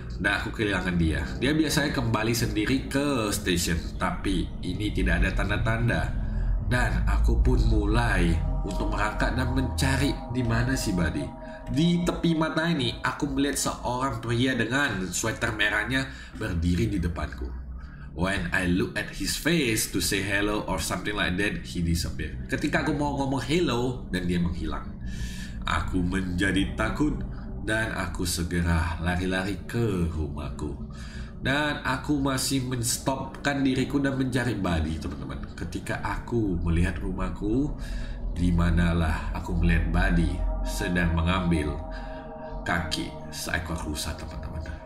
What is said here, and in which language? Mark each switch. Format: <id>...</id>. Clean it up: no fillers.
<id>Dan aku kehilangan dia. Dia biasanya kembali sendiri ke stasiun. Tapi ini tidak ada tanda-tanda. Dan aku pun mulai untuk merangkak dan mencari di mana si Badi. Di tepi mata ini, aku melihat seorang pria dengan sweater merahnya berdiri di depanku.</id> <en>When I look at his face to say hello or something like that, he disappear.</en> <id>Ketika aku mau ngomong hello, dan dia menghilang. Aku menjadi takut, dan aku segera lari-lari ke rumahku. Dan aku masih menstopkan diriku dan mencari Badi, teman-teman. Ketika aku melihat rumahku, di manalah aku melihat Badi sedang mengambil kaki seekor rusa, teman-teman.</id>